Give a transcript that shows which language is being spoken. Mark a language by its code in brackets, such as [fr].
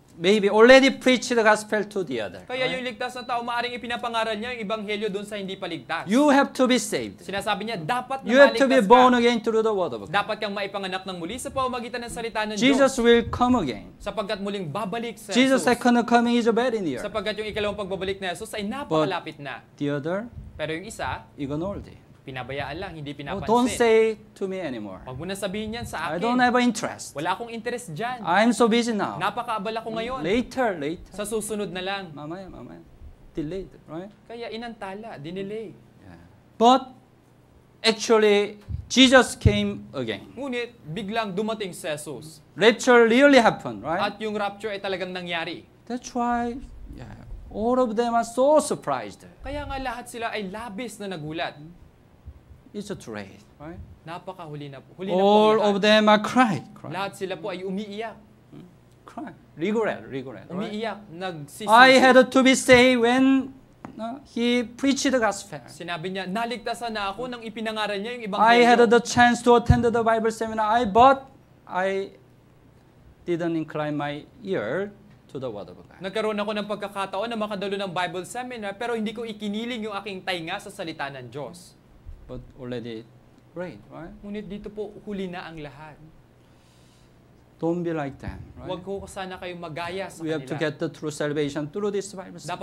[en] maybe already preached the gospel to the other. [tl] Kaya right? Yung ligtas na tao, maaaring ipinapangaral niya yung ebanghelyo doon sa hindi paligtas. [en] You have to be saved. [tl] Sinasabi niya, dapat na maligtas ka. [en] You have to be born again through the word of God. [tl] Dapat kang maipanganak ng muli sa pamamagitan ng salita ng Diyos. [en] Jesus will come again. [tl] Sapagkat muling babalik sa [en] Jesus. Jesus' second coming is already near. [tl] Sapagkat yung ikalawang pagbabalik na Jesus ay napakalapit na. [en] But the other, [tl] pero yung isa, [en] ignored it. [tl] Pinabayaan lang, hindi pinapansin. [en] Oh, don't say to me anymore. [tl] Huwag mo na sabihin yan sa akin. [en] I don't have an interest. [tl] Wala akong interest dyan. [en] I'm so busy now. [tl] Napaka-abala ko ngayon. [en] Later, later. [tl] Sa susunod na lang. Mamaya, mamaya. [en] Delayed, right? [tl] Kaya inantala, dinelay. [en] Yeah. But, actually, Jesus came again. [tl] Ngunit, biglang dumating si Jesus. [en] Rapture really happened, right? [tl] At yung rapture ay talagang nangyari. [en] That's why, yeah, all of them are so surprised. [tl] Kaya nga lahat sila ay labis na nagulat. [en] It's a trade, right? [tl] Napakahuli na, huli na po. [en] All of them are crying. [tl] Lahat sila po ay umiiyak. [en] Cry. Regret. [tl] Umiiyak. [en] I had to be saved when he preached the gospel. [tl] Sinabi niya, naligtasan na ako nang ipinangaral niya yung ebanghelyo. [en] I had the chance to attend the Bible seminar, but I didn't incline my ear to the word of God. [tl] Nagkaroon ako ng pagkakataon na makadalo ng Bible seminar, pero hindi ko ikiniling yung aking tainga sa salita ng Diyos. [en] But already rain, right? [tl] Ngunit dito po, huli na ang lahat. [en] Don't be like them, right? [tl] Huwag ko sana kayong magaya sa [en] We have to get the true salvation through this Bible seminar.